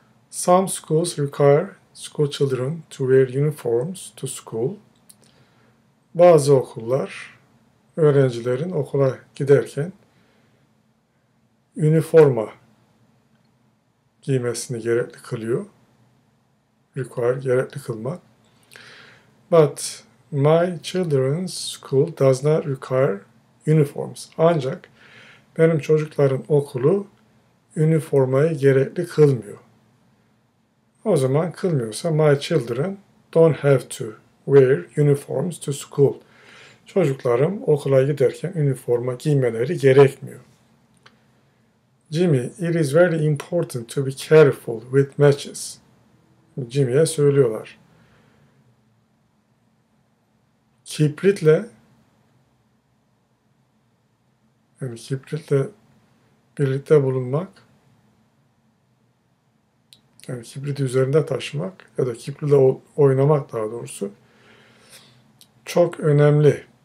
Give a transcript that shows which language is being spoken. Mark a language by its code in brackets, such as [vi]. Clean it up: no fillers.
[en] Some schools require school children to wear uniforms to school. [tr] Bazı okullar öğrencilerin okula giderken üniforma giymesini gerekli kılıyor. Require, gerekli kılmak. [en] But my children's school does not require uniforms. [tr] Ancak benim çocukların okulu üniformayı gerekli kılmıyor. O zaman kılmıyorsa [en] my children don't have to wear uniforms to school. [tr] Çocuklarım okula giderken üniforma giymeleri gerekmiyor. [en] Jimmy, it is very important to be careful with matches. [tr] Jimmy'ye söylüyorlar. Kibritle, yani kibritle birlikte bulunmak, yani kibriti üzerinde taşımak ya da kibritle oynamak daha doğrusu çok önemli.